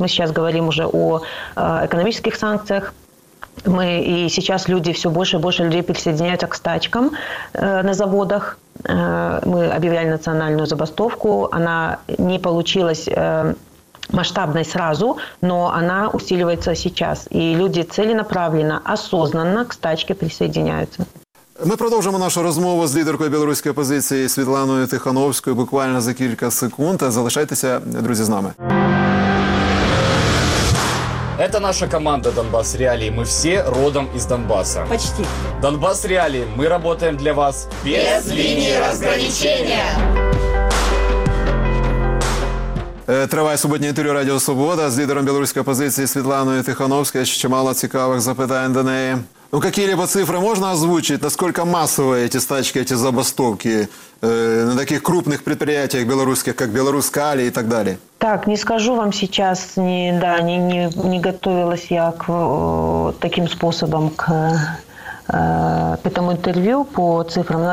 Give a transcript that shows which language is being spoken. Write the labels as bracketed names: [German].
[Russian] Мы сейчас говорим уже о экономических санкциях. Мы и сейчас люди, все больше и больше людей присоединяются к стачкам на заводах. Мы объявляли национальную забастовку. Она не получилась масштабной сразу, но она усиливается сейчас. И люди целенаправленно, осознанно к стачке присоединяются. [Ukrainian] Мы продолжим нашу розмову з лідеркою білоруської опозиції Світланою Тихановською буквально за кілька секунд. Залишайтеся, друзі, з нами. [Russian] Это наша команда «Донбасс Реалии». Мы все родом из Донбасса. Почти. «Донбасс Реалии». Мы работаем для вас без линии разграничения. [Ukrainian] Триває суботнє інтерв'ю Радіо Свобода з лідером білоруської опозиції Світланою Тихановською. Ще чимало цікавих запитань до неї. [Russian] Ну, какие-либо цифры можно озвучить? Насколько массовые эти стачки, эти забастовки на таких крупных предприятиях белорусских, как Белорускали и так далее? Так, не скажу вам сейчас, не готовилась я к таким способам к этому интервью по цифрам.